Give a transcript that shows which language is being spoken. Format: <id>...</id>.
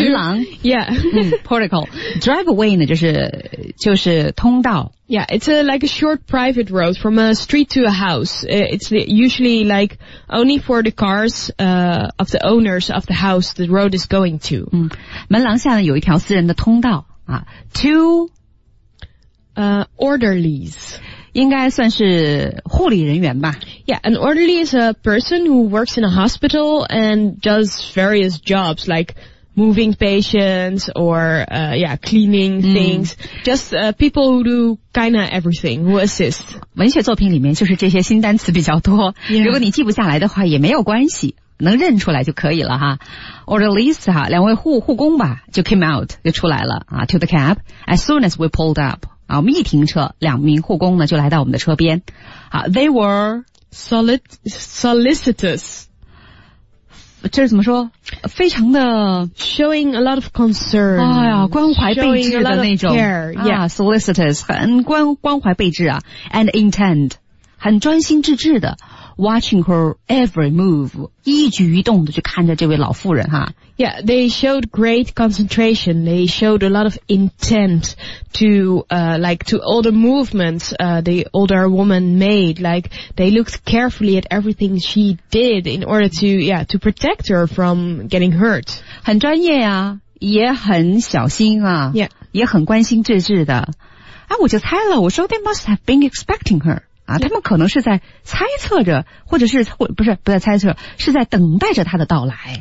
<zh>门廊</zh> <en>Yeah. 、</en> <zh>portico. Driveway 呢就是通道</zh> <en>Yeah, it's a, like a short private road from a street to a house. It's usually like only for the cars, of the owners of the house the road is going to.</en> <zh>门廊下呢有一条私人的通道啊 Two,</zh> <en>orderlies.</en> <zh>应该算是护理人员吧。</zh> <en>Yeah, an orderly is a person who works in a hospital and does various jobs like moving patients or, cleaning things. Just people who do kind of everything, who assist.</en> <zh>文学作品里面就是这些新单词比较多。</zh> <en>Yeah.</en> <zh>如果你记不下来的话也没有关系。能认出来就可以了哈。Orderlies 哈两位护工吧就</zh> <en>came out,</en> <zh>就出来了。</zh> <en>To the cab, as soon as we pulled up.</en> <zh>啊、我们一停车两名护工呢就来到我们的车边。好</zh> <en>They were solicitous.</en> <zh>这是怎么说非常的</zh> <en>Showing a lot of concern.</en> <zh>哎呀关怀备至的那种。</zh> <en>Care, yeah.</en> <zh>啊 solicitous, 很关怀备至啊。</zh> <en>And intent,</en> <zh>很专心致志的</zh> <en>watching her every move,</en> <zh>一举一动的去看着这位老妇人哈。</zh> <en>Yeah, they showed great concentration. They showed a lot of intent to all the movements, the older woman made. Like, they looked carefully at everything she did in order to protect her from getting hurt.</en> <zh>很专业啊，也很小心啊，</zh> <en>yeah.</en> <zh>也很关心致致的。啊，我就猜了，我说</zh> <en>they must have been expecting her.</en> <zh>啊，他们可能是在猜测着或者是或不是不在猜测是在等待着她的到来</zh>